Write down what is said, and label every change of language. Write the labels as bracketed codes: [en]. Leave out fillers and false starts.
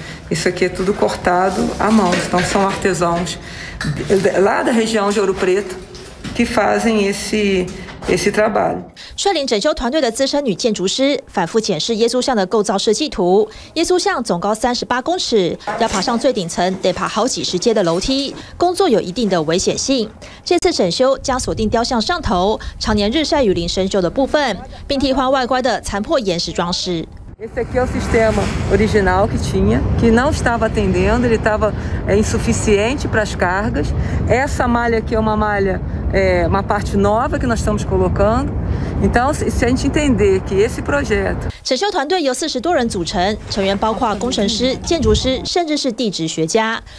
[pt] Isso aqui é tudo cortado à mão, então são artesãos lá da região de Ouro Preto que fazem esse trabalho. [zh] 率领整修团队的资深女建筑师反复检视耶稣像的构造设计图。耶稣像总高38公尺，要爬上最顶层得爬好几十阶的楼梯，工作有一定的危险性。这次整修将锁定雕像上头常年日晒雨淋生锈的部分，并替换外观的残破岩石装饰。 [pt] Esse aqui é o sistema original que tinha, que não estava atendendo, ele estava insuficiente para as cargas. Essa malha aqui é uma malha, uma parte nova que nós estamos colocando. Então, se a gente entender que esse projeto. [zh] 整修团队由40多人组成，成员包括工程师、建筑师，甚至是地质学家。